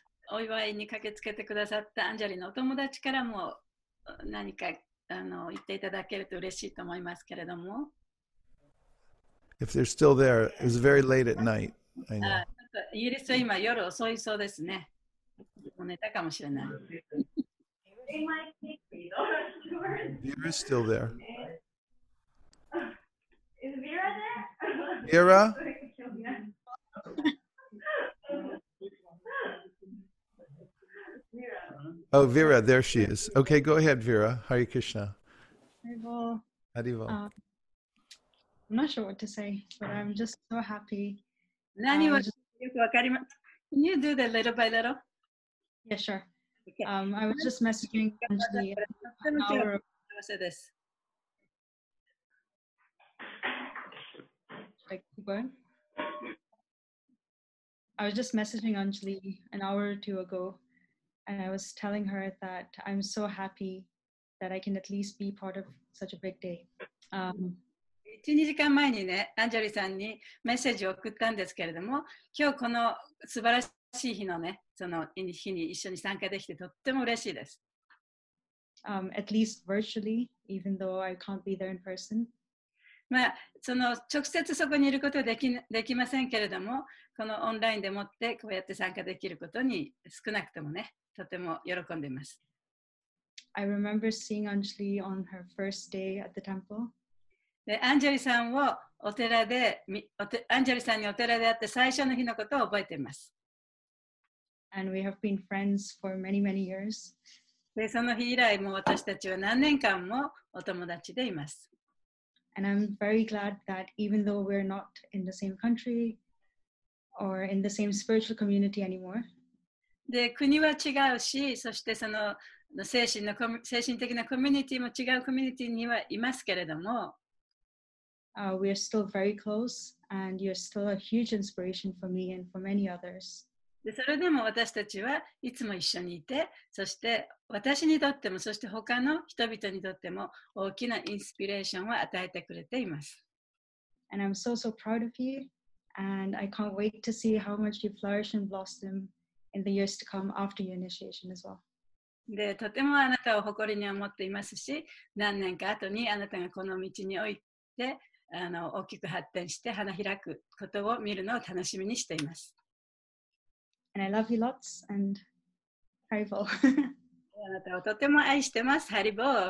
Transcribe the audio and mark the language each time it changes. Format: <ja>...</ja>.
<ja>お祝いに駆けつけてくださったアンジェリーのお友達からも何か言っていただけると嬉しいと思いますけれども、</ja> <en>If they're still there, it was very late at night, I know.</en> <ja>イギリスは今夜遅いそうですね。もう寝たかもしれない。</ja> <en>Vera is still there. Is Vera there? Vera? Oh, Vera, there she is. Okay, go ahead, Vera. Hare Krishna.</en> <bn>Haribol.</bn> <en>I'm not sure what to say, but I'm just so happy. Can you do that little by little? Yeah, sure. Okay. I was just messaging Anjali. I was just messaging Anjali an hour or two ago. And I was telling her that I'm so happy that I can at least be part of such a big day. Me</en> <ja>1、2 時間前にね、アンジェリーさんにメッセージを送ったんですけれども、今日この素晴らしい日のね、その日に一緒に参加できてとっても嬉しいです。</ja> <en>At least virtually, even though I can't be there in person.</en> <ja>まあ、その直接そこにいることはできませんけれども、このオンラインでもってこうやって参加できることに少なくともね、とても喜んでいます。</ja> <en>I remember seeing Anjali on her first day at the temple.</en> <ja>で、アンジェリさんをお寺で、アンジェリさんにお寺で会って最初の日のことを覚えています。</ja> <en>And we have been friends for many, many years.</en> <ja>で、その日以来も私たちは何年間もお友達でいます。</ja> <en>And I'm very glad that even though we're not in the same country or in the same spiritual community anymore.</en> <ja>で、国は違うし、そしてその精神的なコミュニティも違うコミュニティにはいますけれども、</ja> <en>We are still very close and you're still a huge inspiration for me and for many others.</en> <ja>で、それでも私たちはいつも一緒にいて、そして私にとっても、そして他の人々にとっても大きなインスピレーションを与えてくれています。</ja> <en>And I'm so, so proud of you and I can't wait to see how much you flourish and blossom in the years to come after your initiation as well.</en> <ja>で、とてもあなたを誇りに思っていますし、何年か後にあなたがこの道において大きく発展して花開くことを見るのを楽しみにしています。</ja> <en>And I love you lots and ハリボ</en> <ja>あなたをとても愛してます、ハリボ</ja>